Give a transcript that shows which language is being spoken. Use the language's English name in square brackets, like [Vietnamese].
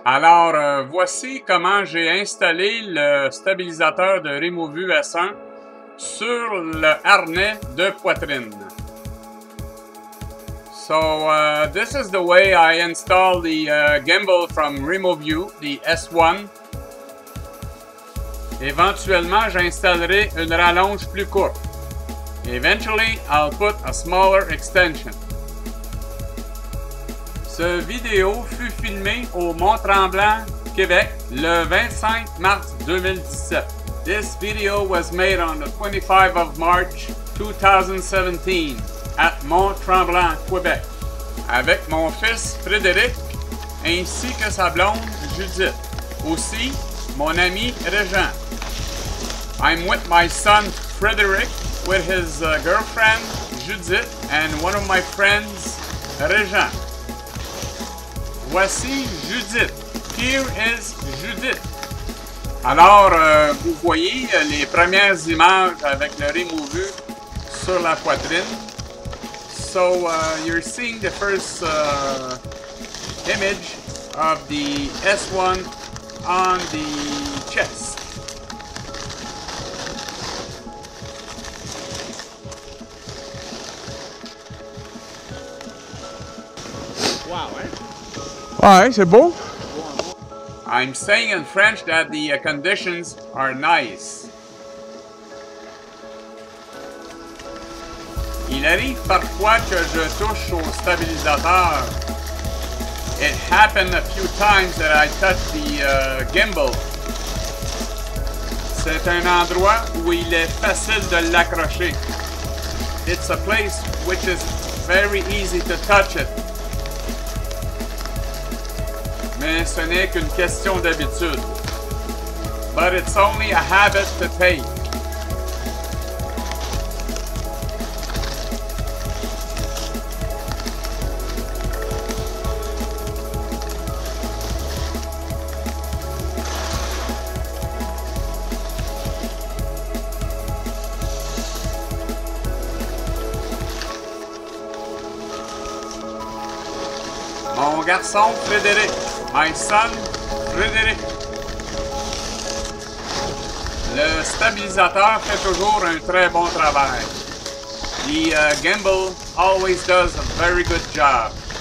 [French] Alors, voici comment j'ai installé le stabilisateur de Removu S1 sur le harnais de poitrine. [English] So, this is the way I install the gimbal from Removu, the S1. [French] Éventuellement, j'installerai une rallonge plus courte. [English] Eventually, I'll put a smaller extension. [French] Ce vidéo fut filmé au Mont Tremblant, Québec, le 25 mars 2017. [English] This video was made on the 25th of March 2017 at Mont Tremblant, Québec, [French] avec mon fils Frédérick ainsi que sa blonde Judith, aussi mon ami Réjean. [English] I'm with my son Frédérick, with his girlfriend Judith and one of my friends Réjean. [French] Voici [English] Judith. Here is Judith. [French] Alors, vous voyez les premières images avec le Removu sur la poitrine. [English] So, you're seeing the first image of the S1 on the chest. Wow, eh? [French] Ouais, c'est beau. [English] I'm saying in French that the conditions are nice. [French] Il arrive parfois que je touche au stabilisateur. [English] It happened a few times that I touched the gimbal. [French] C'est un endroit où il est facile de l'accrocher. [English] It's a place which is very easy to touch it. [French] Mais ce n'est qu'une question d'habitude. [English] But it's only a habit to take. [French] Mon garçon Frédérick. [English] My son, [French] Frédérick. Le stabilisateur fait toujours un très bon travail. [English] The gimbal always does a very good job.